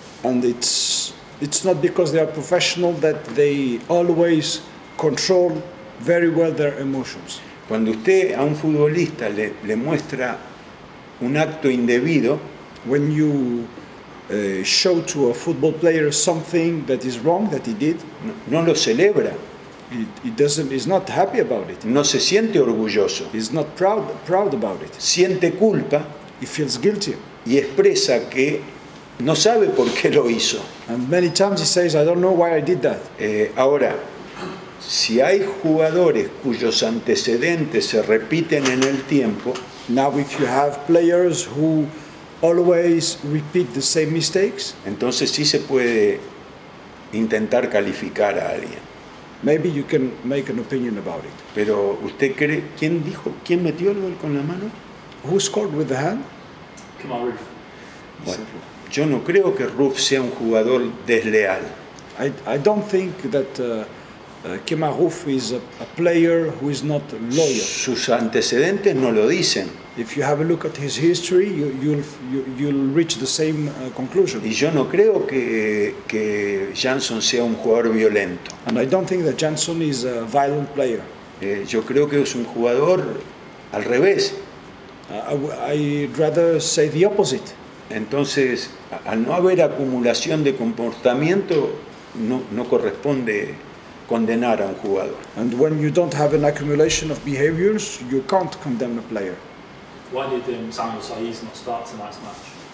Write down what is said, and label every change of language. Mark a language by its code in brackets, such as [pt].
[en] And it's not because they are professional that they always control very well their emotions. [es] Cuando usted a un futbolista le muestra un acto indebido, [en] when you show to a football player something that is wrong that he did, [es] no lo celebra. [en] He's not happy about it. [es] No se siente orgulloso. [en] He's not proud about it. [es] Siente culpa. [en] He feels guilty. [es] Y expresa que no sabe por qué lo hizo. [en] And many times he says, I don't know why I did that. [es] Ahora, si hay jugadores cuyos antecedentes se repiten en el tiempo, [en] now if you have players who always repeat the same mistakes, [es] entonces sí se puede intentar calificar a alguien. [en] Maybe you can make an opinion about it. [es] Pero usted cree, ¿quién dijo? ¿Quién metió el gol con la mano? [en] Who scored with the hand? Come on, Ruf. [es] Bueno, yo no creo que Ruf sea un jugador desleal. [en] I don't think that Kemar Roof is a player who is not loyal. [es] Sus antecedentes no lo dicen. [en] If you have a look at his history, you'll reach the same conclusion. [es] Y yo no creo que Jansson sea un jugador violento. [en] And I don't think that Jansson is a violent player. [es] Yo creo que es un jugador al revés. [en] I'd rather say the opposite. [es] Entonces, al no haber acumulación de comportamiento, no corresponde condenar a un jugador. [en] And when you don't have an accumulation of behaviors, you can't condemn a player. Why did Samuel Saiz not start tonight's match?